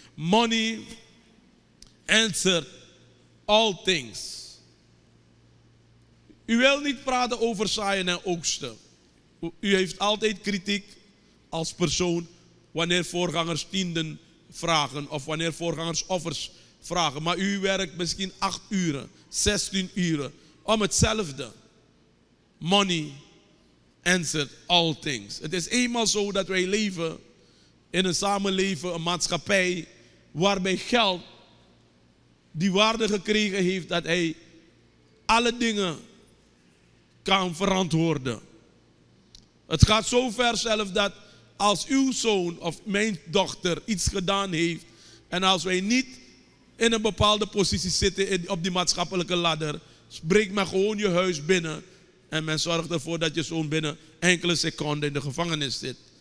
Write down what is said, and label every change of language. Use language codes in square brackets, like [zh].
[en] Money answer all things. [nl] U wil niet praten over zaaien en oogsten. U heeft altijd kritiek als persoon wanneer voorgangers tienden vragen of wanneer voorgangers offers vragen, maar u werkt misschien 8 uren, 16 uren, om hetzelfde. [en] Money answered all things. [nl] Het is eenmaal zo dat wij leven in een samenleving, een maatschappij, waarbij geld die waarde gekregen heeft dat hij alle dingen kan verantwoorden. Het gaat zo ver zelf dat als uw zoon of mijn dochter iets gedaan heeft en als wij niet in een bepaalde positie zitten op die maatschappelijke ladder, breek maar gewoon je huis binnen en men zorgt ervoor dat je zoon binnen enkele seconden in de gevangenis zit.